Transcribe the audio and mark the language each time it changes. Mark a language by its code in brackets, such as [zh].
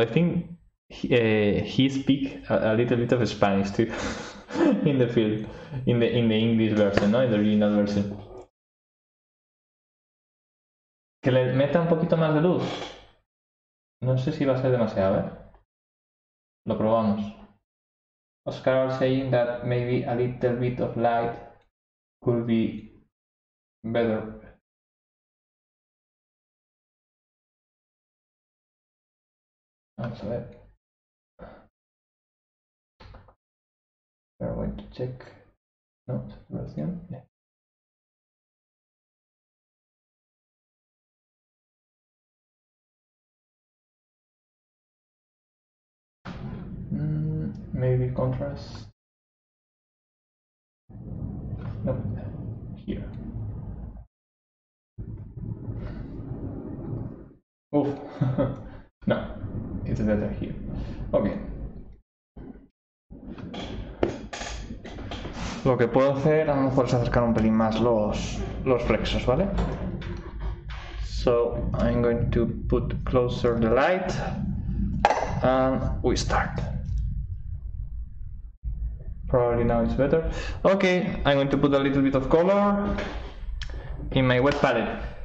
[en] I think he speak a little bit of Spanish too in the film, in the English version, no, in the original version. [es] Que le meta un poquito más de luz. No sé si va a ser demasiado, ¿eh? Lo probamos. [en] Oscar was saying that maybe a little bit of light could be better. [es] Vamos a ver. [en] We're going to check. No, saturation. Yeah. Maybe contrast. Nope. Here. Oof. No, it's better here. Okay. [es] Lo que puedo hacer a lo mejor es acercar un pelín más los flexos, ¿vale? [en] So I'm going to put closer the light and we start. Probably now it's better. Okay, I'm going to put a little bit of color in my wet palette.